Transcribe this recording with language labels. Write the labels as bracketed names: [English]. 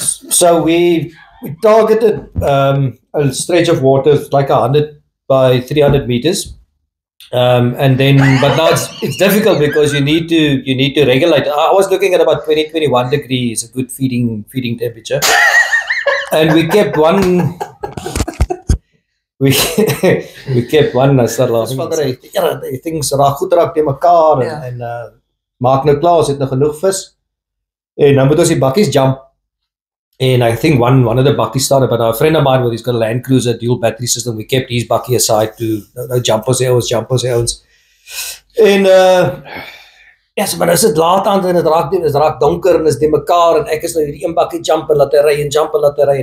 [English] So we targeted a stretch of water like 100 by 300 meters, and then but now it's difficult because you need to regulate. I was looking at about 20-21 degrees, a good feeding temperature, and we kept one. We kept one, I started laughing. [Afrikaans] Things raak goed raak teen mekaar, en maak nou klaar, ons het nou genoeg vis. En dan moet ons die bakkies jump. [English] And I think one of the bakkies started, but a friend of mine, he's got a Land Cruiser dual battery system, we kept his bakkie aside to jump us. And yes, but as it [Afrikaans] laat aan, en het raak donker, en is teen mekaar, en ek is nou hierdie een bakkie jump, en laat hy ry, en jump, en laat hy ry.